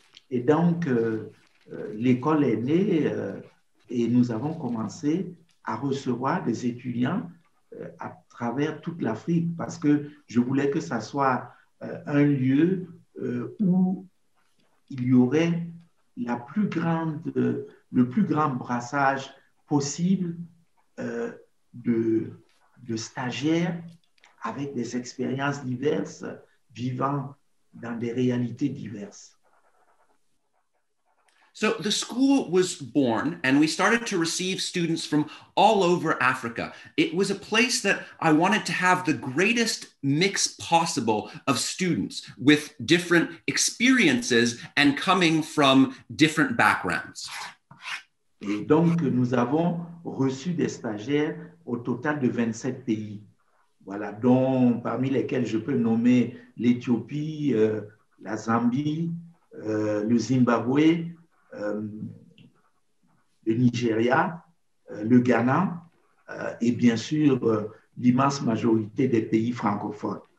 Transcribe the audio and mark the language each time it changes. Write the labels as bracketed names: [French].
[French] Et donc, l'école est née et nous avons commencé à recevoir des étudiants à travers toute l'Afrique parce que je voulais que ça soit un lieu où il y aurait la plus grande, le plus grand brassage possible de stagiaires avec des expériences diverses vivant dans des réalités diverses. [English] So the school was born and we started to receive students from all over Africa. It was a place that I wanted to have the greatest mix possible of students with different experiences and coming from different backgrounds. [French] Et donc nous avons reçu des stagiaires au total de 27 pays. Voilà, dont parmi lesquels je peux nommer l'Éthiopie, la Zambie, le Zimbabwe, le Nigeria, le Ghana et bien sûr l'immense majorité des pays francophones.